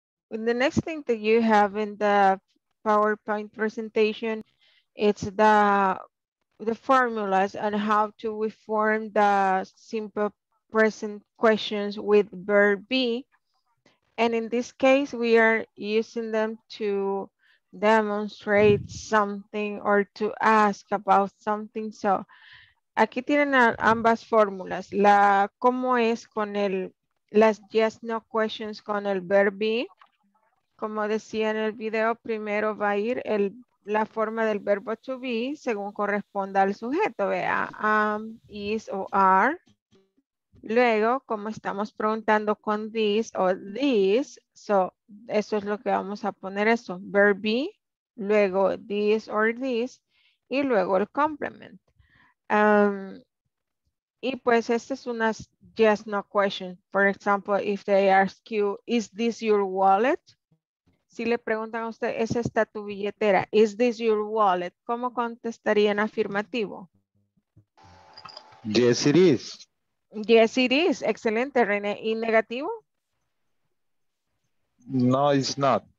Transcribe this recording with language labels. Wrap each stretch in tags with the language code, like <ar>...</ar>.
<en>And the next thing that you have in the PowerPoint presentation, it's the formulas on how to reform the simple present questions with verb be. And in this case, we are using them to demonstrate something or to ask about something. So</en> <es>aquí tienen ambas fórmulas. La cómo es con el las yes no questions con el verb be. Como decía en el video, primero va a ir el la forma del verbo to be según corresponda al sujeto, vea, is o are. Luego, como estamos preguntando con this o this, so eso es lo que vamos a poner eso, verb be, luego this or this, y luego el complement. Y pues esta es una yes no question.</es> <en>For example, if they ask you, is this your wallet?</en> <es>Si le preguntan a usted, ¿es esta tu billetera?</es> <en>Is this your wallet?</en> <es>¿Cómo contestaría en afirmativo?</es> <en>Yes, it is. Yes, it is.</en> <es>Excelente, René. ¿Y negativo?</es> <en>No, it's not.</en>